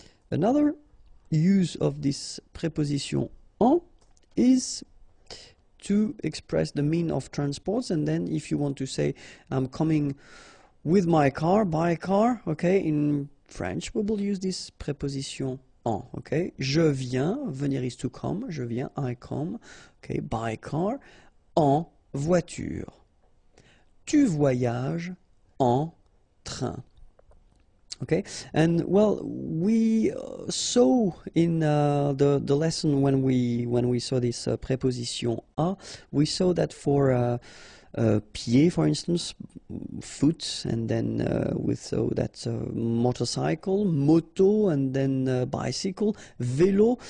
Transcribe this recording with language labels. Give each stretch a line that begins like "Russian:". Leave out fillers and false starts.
English: Another use of this preposition en is to express the mean of transports, and then if you want to say I'm coming with my car, by car, okay, in French we will use this preposition En, ok.
French: Je viens,
English: venir is to come.
French: Je viens,
English: I come, ok, by car,
French: en voiture. Tu voyages en train.
English: Okay, and well, we saw in the lesson when we saw this preposition a, we saw that for pied, for instance, foot, and then we saw that motorcycle, moto, and then bicycle, vélo.